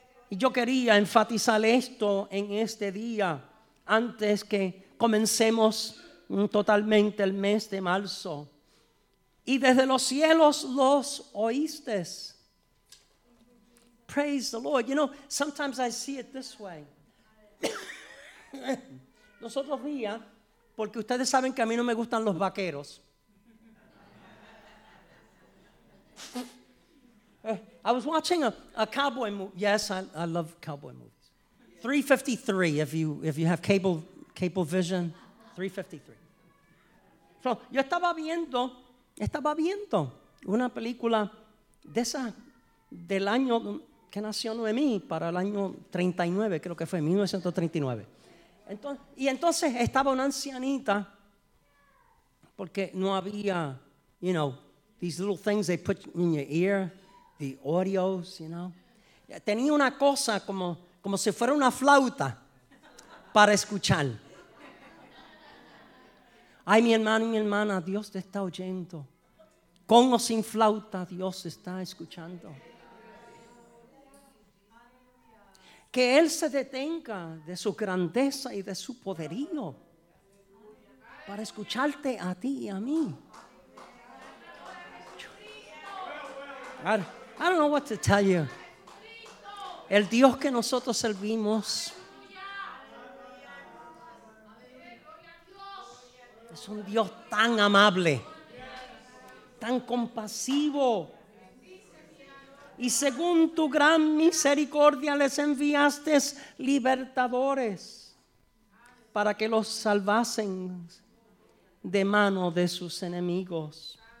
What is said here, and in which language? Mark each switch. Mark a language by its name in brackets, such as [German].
[Spanish] Y yo quería enfatizar esto en este día, antes que comencemos totalmente el mes de marzo. Y desde los cielos los oíste. [English] Praise the Lord. You know, sometimes I see it this way. [Spanish] Los otros días, porque ustedes saben que a mí no me gustan los vaqueros. [English] I was watching a cowboy movie. Yes, I love cowboy movies. 353, if you have cable vision, 353. [Spanish] So, yo estaba viendo una película de esa del año que nació Noemí, para el año 39, creo que fue 1939. Entonces estaba una ancianita, porque no había, [English] you know, these little things they put in your ear, the audios, you know. [Spanish] Tenía una cosa como si fuera una flauta para escuchar. Ay, mi hermano y mi hermana, Dios te está oyendo. Con o sin flauta, Dios está escuchando. Que Él se detenga de su grandeza y de su poderío para escucharte a ti y a mí. [English] I don't know what to tell you. [Spanish] El Dios que nosotros servimos es un Dios tan amable, tan compasivo. Y según tu gran misericordia les enviaste libertadores para que los salvasen de mano de sus enemigos.